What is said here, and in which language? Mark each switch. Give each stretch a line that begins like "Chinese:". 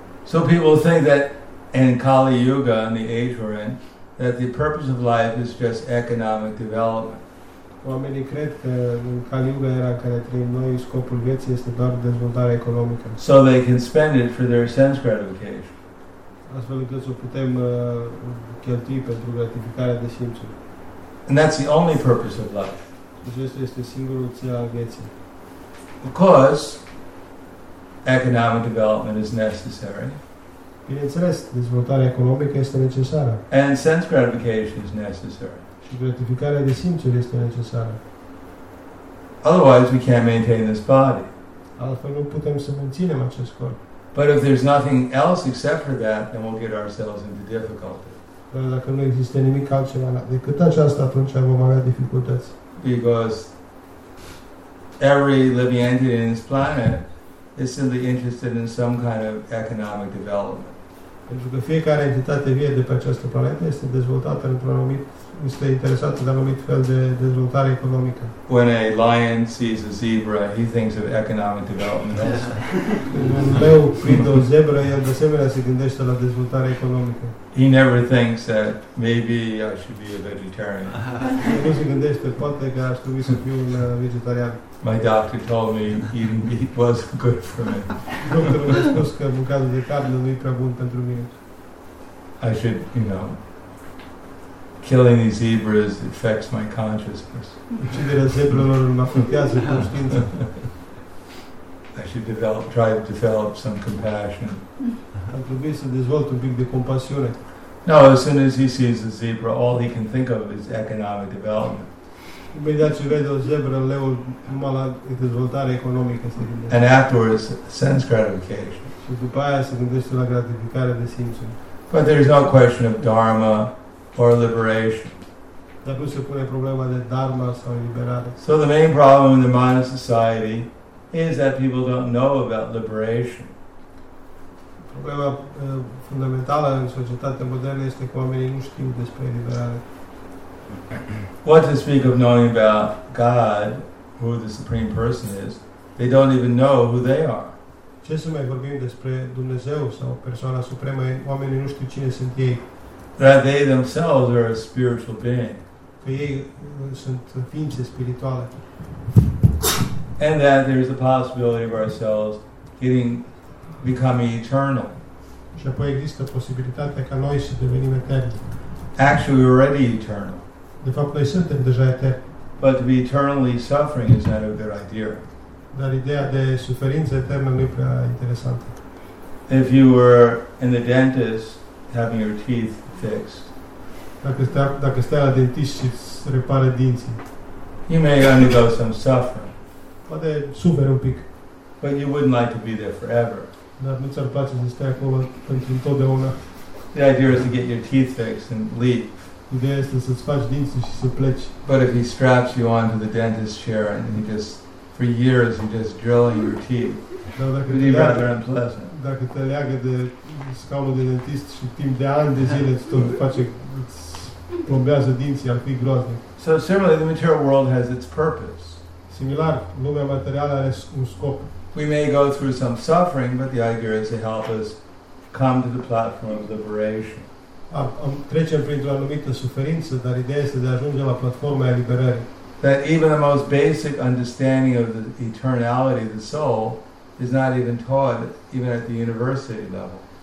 English: So people think that in Kali Yuga, in the age we're in, that the purpose of life is just economic development.
Romanian: Oamenii cred că în Kali Yuga era în care trăim noi, scopul vieții este doar dezvoltarea economică.
English: So they can spend it for their sense gratification.
Romanian: Astfel încât să o putem cheltui pentru gratificarea de simțuri.
English: And that's the only purpose of life.
Romanian: Acesta este singurul țel al vieții.
English: Because economic development is necessary.
Romanian: Bineînțeles, dezvoltarea economică este necesară.
English: And sense gratification is necessary.
Romanian: Și gratificarea de simțuri este necesară.
English: Otherwise, we can't maintain this body.
Romanian: Altfel nu putem să menținem acest corp.
English: But if there's nothing else except for that, then we'll get ourselves into difficulty.
Romanian: Dar dacă nu există nimic altceva decât aceasta, atunci vom avea dificultăți.
English: Because every living entity in this planet is simply interested in some kind of economic development.
Romanian: Pentru că fiecare entitate vie de pe această planetă este dezvoltată într-un anumit, este interesată de anumit fel de dezvoltare economică.
English: When a lion sees a zebra, he thinks of economic development also.
Romanian: Când un leu prinde o zebră, el de asemenea se gândește la dezvoltare economică.
English: He never thinks that maybe I should be a vegetarian.
Romanian: Nu se gândește, poate că aș trebui să fiu un vegetarian.
English: My doctor told me eating meat was good for me.
Romanian: Doctorul mi-a spus că mâncarea de carne nu e prea bun pentru mine.
English: I should, you know, killing these zebras affects my consciousness.
Romanian: Uciderea zebrelor mă afectează conștiința.
English: I should try to develop some compassion.
Romanian: Ar trebui să dezvolt un pic de compasiune.
English: No, as soon as he sees a zebra, all he can think of is economic development.
Romanian: Imediat ce vede o zebră, leul numai la dezvoltare economică se gândește.
English: And afterwards, sense gratification.
Romanian: Și după aia se gândește la gratificare de simțuri.
English: But there is no question of dharma or liberation.
Romanian: Dar nu se pune problema de dharma sau liberare.
English: So the main problem in the modern society is that people don't know about liberation.
Romanian: Problema fundamentală în societatea modernă este că oamenii nu știu despre liberare.
English: What to speak of knowing about God, who the Supreme Person is, they don't even know who they are.
Romanian: Ce să mai vorbim despre Dumnezeu sau persoana supremă, oamenii nu știu cine sunt ei.
English: That they themselves are a spiritual being.
Romanian: Că ei sunt ființe spirituale.
English: And that there is a possibility of ourselves becoming eternal.
Romanian: Și apoi există posibilitatea ca noi să devenim eterni.
English: Actually, we're already eternal.
Romanian: De fapt, noi suntem deja eterni.
English: But to be eternally suffering is not a good idea.
Romanian: Dar ideea de suferință eternă nu e prea interesantă.
English: If you were in the dentist having your teeth fixed,
Romanian: dacă stai la dentist și îți repară dinții,
English: you may undergo some suffering.
Romanian: Poate suferi un pic.
English: But you wouldn't like to be there forever.
Romanian: Dar nu ți-ar place să stai acolo pentru întotdeauna.
English: The idea is to get your teeth fixed and leave.
Romanian: Ideea este să-ți faci dinții și să pleci.
English: But if he straps you onto the dentist chair and he just, for years, he just drilling your teeth, it'd be rather unpleasant.
Romanian: Dacă te leagă de scaunul de dentist și timp de ani de zile îți plombează dinții, ar fi groaznic.
English: So similarly, the material world has its purpose.
Romanian: Similar, lumea materială are un scop.
English: We may go through some suffering, but the idea is to help us come to the platform of liberation.
Romanian: Trecem printr-o anumită suferință, dar ideea este de a ajunge la platforma eliberării.
English: That even the most basic understanding of the eternality of the soul is not even taught even at the university level.